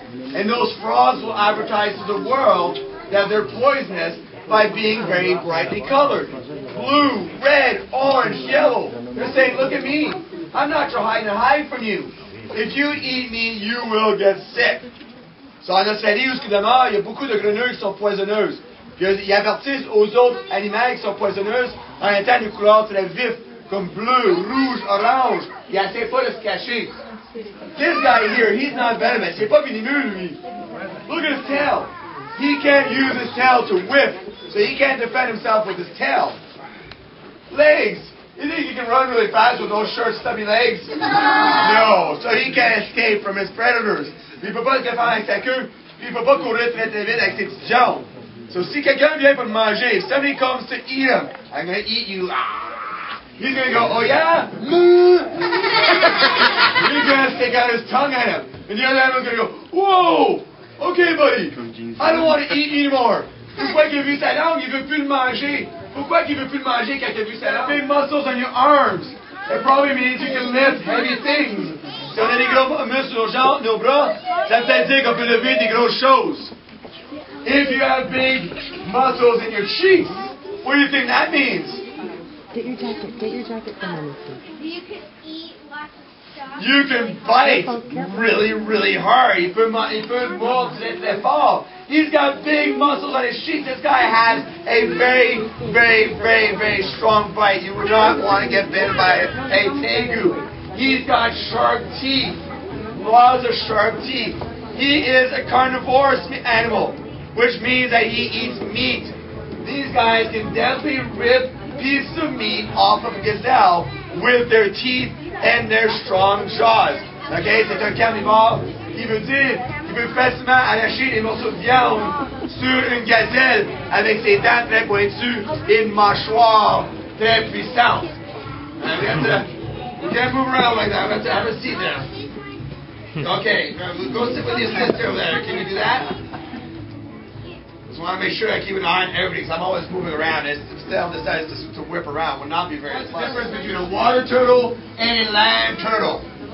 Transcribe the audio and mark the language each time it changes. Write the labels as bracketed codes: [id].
[en] And those frogs will advertise to the world that they're poisonous by being very brightly colored. Blue, red, orange, yellow. They're saying, look at me. I'm not trying to hide from you. If you eat me, you will get sick. [fr] Ça en Australie, où ce que demeure, il y a beaucoup de grenouilles qui sont poisonneuses. Ils avertissent aux autres animaux qui sont poisonneuses en étant des couleurs très vives, comme bleu, rouge, orange. Ils n'essaient pas de se cacher. [en] This guy here, he's not venomous. [fr] C'est pas venimeux, lui. [en] Look at his tail. He can't use his tail to whiff, so he can't defend himself with his tail. Legs. You think he can run really fast with those short, stubby legs? No. So he can't escape from his predators. [fr] Il peut pas le faire avec sa queue, puis il peut pas courir très très vite avec ses petites jambes. [en] So [fr] si quelqu'un vient pour manger, [en] if somebody comes to eat him, I'm gonna eat you. He's gonna go, oh yeah? Mmm. He's gonna stick out his tongue at him. And the other animal's gonna go, whoa! Okay, buddy. I don't wanna eat anymore. [fr] Pourquoi qu'il a vu sa langue, il veut plus le manger. Pourquoi qu'il veut plus le manger quand il a vu sa langue? [en] Big muscles on your arms. It probably means you can lift heavy things. [fr] Si on a des gros muscles sur nos jambes, nos bras, ça veut dire qu'on peut lever des grosses choses. [en] If you have big muscles in your cheeks, what do you think that means? Get your jacket from underneath. You can eat lots of stuff. You can bite really, really hard. [fr] Il peut mordre très fort. [en] He's got big muscles on his cheeks. This guy has a very, very, very, very strong bite. You would not want to get bitten by a tegu. He's got sharp teeth. Lots of sharp teeth. He is a carnivorous animal, which means that he eats meat. These guys can definitely rip pieces of meat off of a gazelle with their teeth and their strong jaws. [fr] Okay, c'est un carnivore. Il veut dire qu'il peut facilement arracher des morceaux de viande sur une gazelle avec ses dents très pointues et une mâchoire très puissante. [en] You can't move around like that. I'm going to have a seat now. Okay, go sit with your sister over there. Can you do that? Just want to make sure I keep an eye on everybody because I'm always moving around. If the tail decides to whip around, it would not be very pleasant. What's the difference between a water turtle and a land turtle?